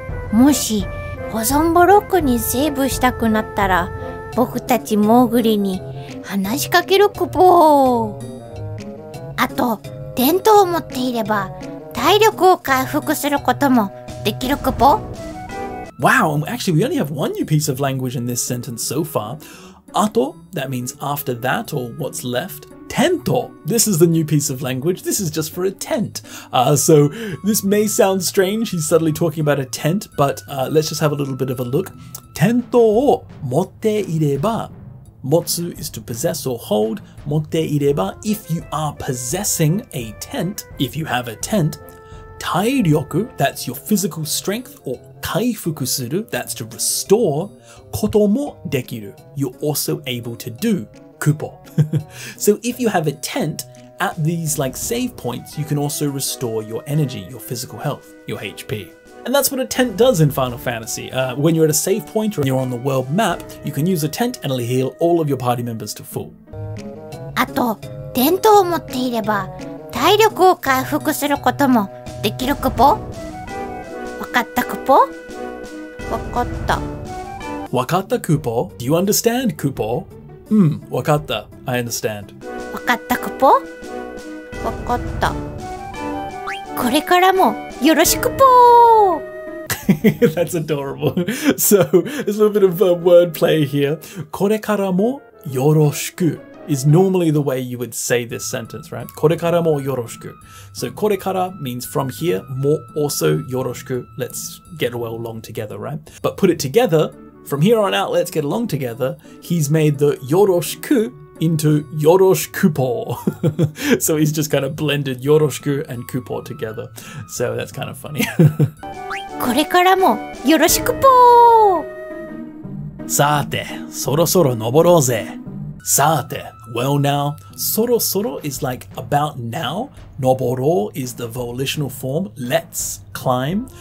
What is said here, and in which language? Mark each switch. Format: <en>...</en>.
<ja>もし保存ブロックにセーブしたくなったら、僕たちモーグリに話しかけるくぼー。あと電灯を持っていれば体力を回復することもできるくぼ。</ja> <en>Wow, actually we only have one new piece of language in this sentence so far. あと、that means after that or what's left. Tento. This is the new piece of language. This is just for a tent. So this may sound strange. He's suddenly talking about a tent, but let's just have a little bit of a look.</en> <ja>Tento wo motte ireba.</ja> <en>Motsu is to possess or hold.</en> <ja>Motte ireba.</ja> <en>If you are possessing a tent, if you have a tent, taiyoku, that's your physical strength, or</en> <ja>kaifuku suru,</ja> <en>that's to restore,</en> <ja>koto mo dekiru,</ja> <en>you're also able to do. Kupo. So if you have a tent, at these like save points, you can also restore your energy, your physical health, your HP. And that's what a tent does in Final Fantasy. When you're at a save point or you're on the world map, you can use a tent and it'll heal all of your party members to full.</en> <ja>あと、電灯を持っていれば体力を回復することもできるクポ。わかったクポ？わかった。わかったクポ？</ja> <en>Do you understand, クポ？Hmm, wakatta. I understand.</en> <ja>Wakatta kupo? Wakatta. Kore kara mo yoroshiku po!</ja> <en>That's adorable. So, there's a little bit of wordplay here.</en> <ja>Kore kara mo yoroshiku</ja> <en>is normally the way you would say this sentence, right?</en> <ja>Kore kara mo yoroshiku.</ja> <en>So,</en> <ja>kore kara</ja> <en>means from here, mo also yoroshiku. Let's get well along together, right? But put it together... From here on out, let's get along together. He's made the yoroshiku into yoroshikupo. So he's just kind of blended yoroshiku and kupo together. So that's kind of funny.</en> <ja>これからもよろしくぽー。さて、そろそろ登ろうぜ。</ja> <en>さて、well now. そろそろ is like about now. Noboro is the volitional form. Let's climb.</en>